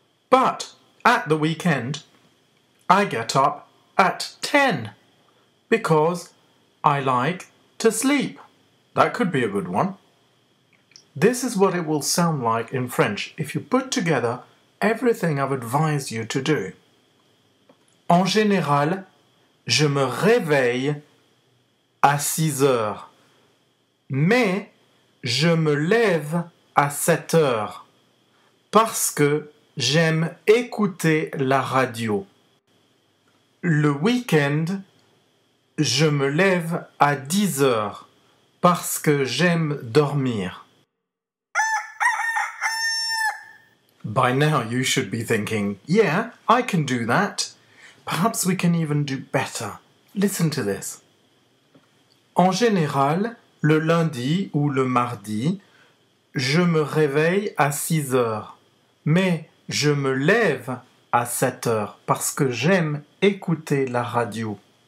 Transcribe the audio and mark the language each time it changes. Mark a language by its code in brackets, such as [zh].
[en] But, at the weekend, I get up at 10 because I like to sleep. That could be a good one. This is what it will sound like in French if you put together everything I've advised you to do. [fr] En général, je me réveille à 6 heures, mais je me lève à 7 heures parce que j'aime écouter la radio. Le week-end, je me lève à 10 heures parce que j'aime dormir. [en] By now you should be thinking, yeah, I can do that. Perhaps we can even do better. Listen to this. [fr] En général, le lundi ou le mardi, je me réveille à 6 heures, mais je me lève à 7 heures parce que j'aime écouter la radio.